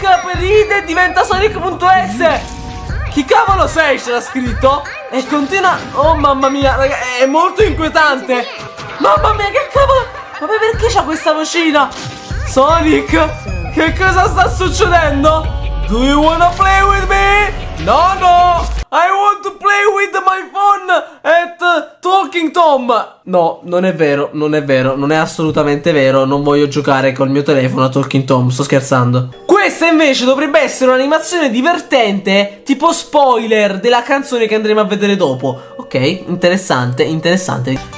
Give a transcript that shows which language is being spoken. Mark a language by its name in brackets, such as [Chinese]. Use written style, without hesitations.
[Italian] Per ride diventa Sonic.exe! Chi cavolo sei? Ce l'ha scritto? E continua. Oh mamma mia, raga, è molto inquietante! Mamma mia, che cavolo! Ma poi perché c'ha questa vocina? Sonic, che cosa sta succedendo? [English] Do you wanna play with me? No, no! I want to play with my phone at Talking Tom. [Italian] No, non è vero, non è vero, non è assolutamente vero. Non voglio giocare col mio telefono a Talking Tom, sto scherzando. Questa invece dovrebbe essere un'animazione divertente, tipo spoiler della canzone che andremo a vedere dopo. Ok, interessante, interessante.